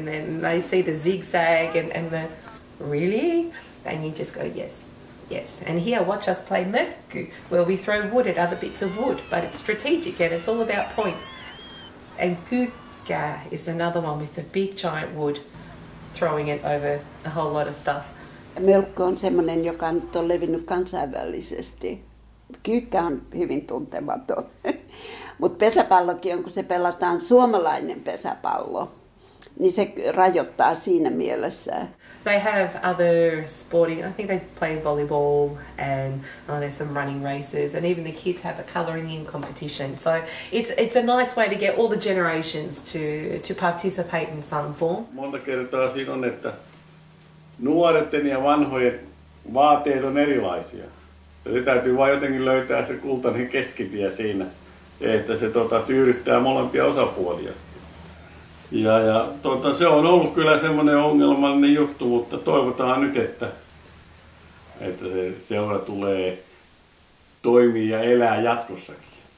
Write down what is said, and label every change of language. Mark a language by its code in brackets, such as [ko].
[en] And then they see the zigzag and the, really? And you just go, yes, yes. And here, watch us play mökkö, where we throw wood at other bits of wood, but it's strategic and it's all about points. And Kärjä is another one with the big giant wood throwing it over a whole lot of stuff. [fi] Melko on semmoinen, joka nyt on levinnyt kansainvälisesti. Kyykkä on hyvin tuntematon. Mutta pesäpallokin on, kun se pelataan suomalainen pesäpallo. niin se rajoittaa siinä mielessä. [en] They have other sporting, I think they play volleyball and there's some running races and even the kids have a colouring in competition. So it's a nice way to get all the generations to participate in some form. [fi] Monta kertaa siinä on, että nuoretten ja vanhojen vaateet on erilaisia. Eli täytyy vain jotenkin löytää se kultainen keskitie siinä, että se tyydyttää molempia osapuolia. Ja se on ollut kyllä semmoinen ongelmallinen juttu, mutta toivotaan nyt, että se seura tulee toimia ja elää jatkossakin.